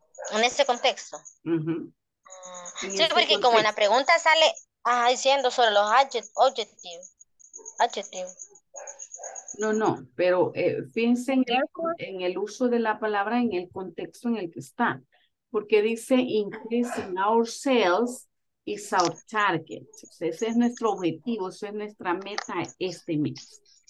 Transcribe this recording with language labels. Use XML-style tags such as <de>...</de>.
<es>En este contexto. Uh-huh. Sí, este porque contexto. Como en la pregunta sale diciendo sobre los objetivos. Adjetivo. No, no, pero fíjense en el uso de la palabra en el contexto en el que está. Porque dice,</es> <en>increasing our sales is our target.</en> <es>O sea, ese es nuestro objetivo, esa es nuestra meta este mes.</es>